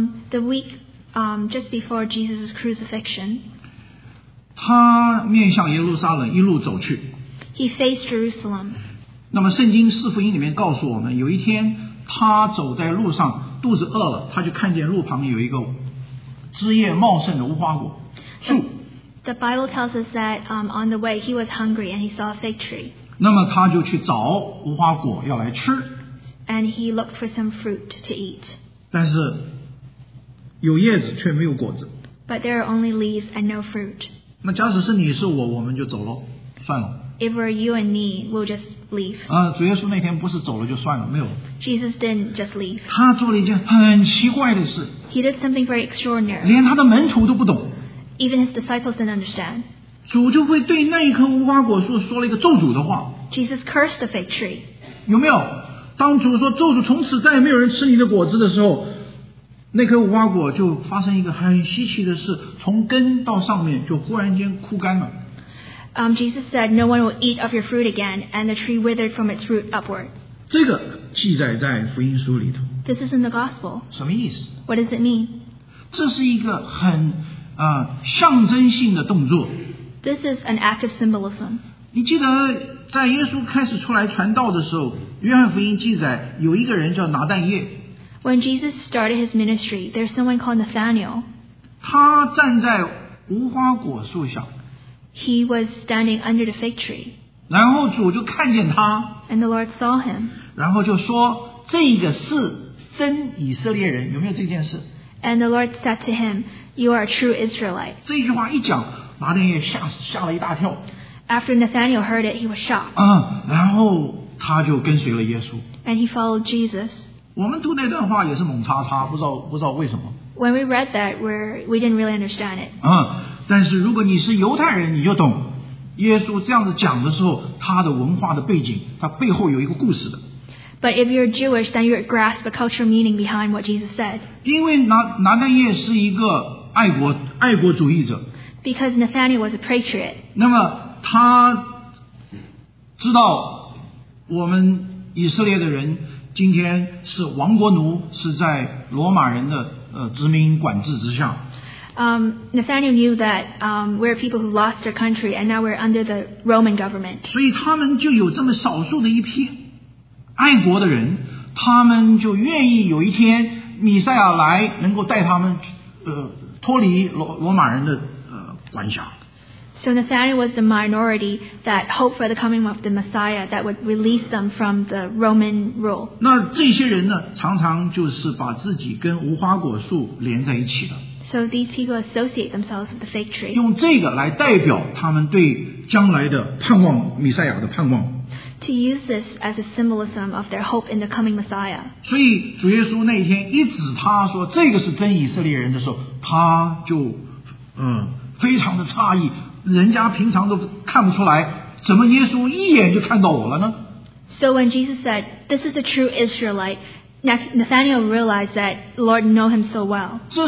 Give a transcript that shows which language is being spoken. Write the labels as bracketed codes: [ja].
[en] The week just before Jesus' crucifixion. [zh] 他面向耶路撒冷一路走去。 [en] He faced Jerusalem. [zh] 那么圣经四福音里面告诉我们，有一天他走在路上，肚子饿了，他就看见路旁有一个枝叶茂盛的无花果树。 [en] The Bible tells us that on the way he was hungry and he saw a fig tree. [zh] 那么他就去找无花果要来吃。 [en] And he looked for some fruit to eat. [zh] 但是有叶子却没有果子。 [en] But there are only leaves and no fruit. [zh] 那假使是你是我，我们就走了，算了。 [en] If we're you and me, we'll just leave. [zh] 主耶稣那天不是走了就算了，没有。 [en] Jesus didn't just leave. [zh] 他做了一件很奇怪的事。 [en] He did something very extraordinary. [zh] 连他的门徒都不懂。 [en] Even his disciples didn't understand. [zh] 主就会对那一棵无花果树说了一个咒诅的话。 [en] Jesus cursed the fig tree. [zh] 有没有？当主说咒诅，从此再也没有人吃你的果子的时候，那棵无花果就发生一个很稀奇的事，从根到上面就忽然间枯干了。 [en] Jesus said, "No one will eat of your fruit again," and the tree withered from its root upward. [zh] 这个记载在福音书里头。 [en] This is in the gospel. [zh] 什么意思？ [en] What does it mean? [zh] 这是一个很象征性的动作。 [en] This is an act of symbolism. [zh] 你记得在耶稣开始出来传道的时候，约翰福音记载有一个人叫拿但业。 [en] When Jesus started his ministry, there's someone called Nathanael. [zh] 他站在无花果树下。 [en] He was standing under the fig tree. [zh] 然后主就看见他。 [en] And the Lord saw him. [zh] 然后就说，这个是真以色列人，有没有这件事？ [en] And the Lord said to him, "You are a true Israelite." [zh] 这句话一讲，拿但业吓了一大跳。 [en] After Nathanael heard it, he was shocked. [zh] 然后他就跟随了耶稣。 [en] And he followed Jesus. [zh] 我们读那段话也是猛叉叉，不知道为什么。 [en] When we read that, we didn't really understand it. [zh] 但是如果你是犹太人，你就懂，耶稣这样子讲的时候，他的文化的背景，他背后有一个故事的。 [en] But if you're Jewish, then you grasp the cultural meaning behind what Jesus said. [zh] 因为拿但业是一个爱国主义者。 [en] Because Nathanael was a patriot. [zh] 那么他知道我们以色列的人。今天是亡国奴，是在罗马人的殖民管制之下。 [en] Nathanael knew that we're people who lost their country and now we're under the Roman government. [zh] 所以他们就有这么少数的一批爱国的人，他们就愿意有一天弥赛亚来，能够带他们脱离罗马人的管辖。 [en] So Nathanael was the minority that hoped for the coming of the Messiah that would release them from the Roman rule. [zh] 那这些人呢，常常就是把自己跟无花果树连在一起的。 [en] So these people associate themselves with the fig tree. [zh] 用这个来代表他们对将来的盼望，弥赛亚的盼望。 [en] To use this as a symbolism of their hope in the coming Messiah. [zh] 所以主耶稣那一天一指他说这个是真以色列人的时候，他就非常的诧异。人家平常都看不出来，怎么耶稣一眼就看到我了呢？ [en] So when Jesus said, "This is a true Israelite," Nathanael realized that the Lord knew him so well.